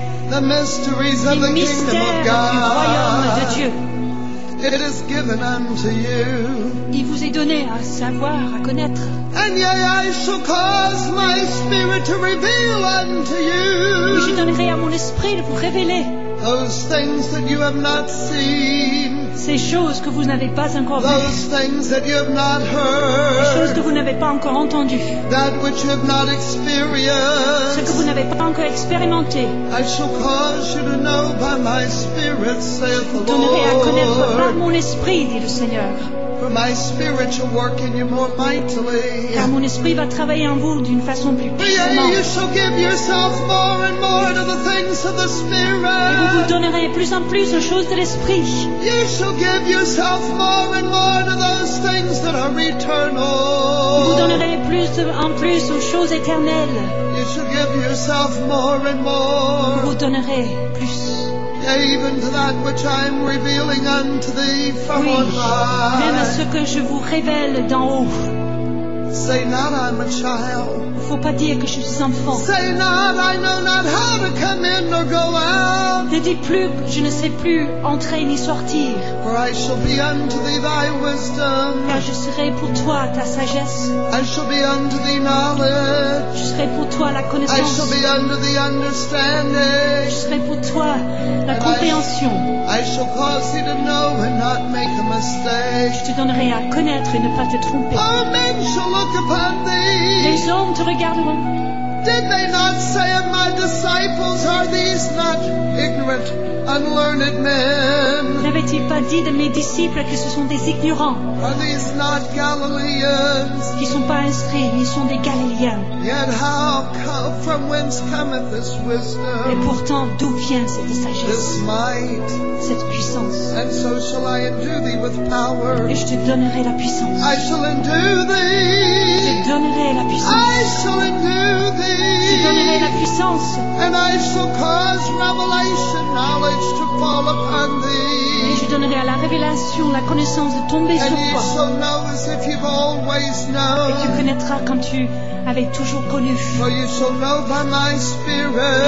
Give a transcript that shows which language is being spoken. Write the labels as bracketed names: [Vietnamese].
[English] The mysteries of the kingdom of God. [French] Du royaume de Dieu. [English] It is given unto you. [French] Il vous est donné à savoir, à connaître. [English] And yea, I shall cause my spirit to reveal unto you. [French] Et je donnerai à mon esprit de vous révéler. [English] Those things that you have not seen. [French] Ces choses que vous n'avez pas encore vues. [English] Those things that you have not heard. [French] Les choses que vous n'avez pas encore entendues. [English] That which you have not experienced. [French] Ce que vous n'avez pas encore expérimenté. [English] I shall cause you to know by my spirit, saith the Lord. [French] Je vous donnerai à connaître par mon esprit, dit le Seigneur. [English] For my spirit shall work in you more mightily. [French] Car mon esprit va travailler en vous d'une façon plus puissante. [English] Yea, you shall give yourself more and more to the things of the spirit. [French] Et vous vous donnerez plus en plus aux choses de l'esprit. [English] You shall give yourself more and more to those things that are eternal. [French] Vous vous donnerez plus en plus aux choses éternelles. [English] You shall give yourself more and more. [French] Vous vous donnerez plus. [English] Even to that which I am revealing unto thee from [French] oui, [English] on high. [French] Même à ce que je vous révèle d'en haut. [English] Say not I'm a child. [French] Faut pas dire que je suis enfant. [English] Say not I know not how to come in or go out. [French] Ne dis plus je ne sais plus entrer ni sortir. [English] For I shall be unto thee thy wisdom. [French] Car je serai pour toi ta sagesse. [English] I shall be unto thee knowledge. [French] Je serai pour toi la connaissance. [English] I shall be unto thee understanding. [French] Je serai pour toi la compréhension. [English] I shall cause thee to know and not make a mistake. [French] Je te donnerai à connaître et ne pas te tromper. [English] All men shall look upon thee. [French] Les les hommes te regarderont. [English] Did they not say of my disciples, are these not ignorant, unlearned men? [French] N'avait-il pas dit de mes disciples que ce sont des ignorants? [English] Are these not Galileans? [French] Qui sont pas instruits, ils sont des Galiléens. [English] Yet how come, from whence cometh this wisdom? [French] Et pourtant, d'où vient cette sagesse? [English] This might. [French] Cette puissance. [English] And so shall I endue thee with power. [French] Et je te donnerai la puissance. [English] I shall endue thee. [French] Je donnerai la puissance. [English] I shall endue thee. [French] Je donnerai la puissance. [English] And I shall cause revelation knowledge to fall upon thee. [French] Et je donnerai à la révélation la connaissance de tomber [English] and [French] sur toi. [English] And you shall know as if you've always known. [French] Et tu connaîtras comme tu avais toujours connu. [English] For you shall know by my spirit.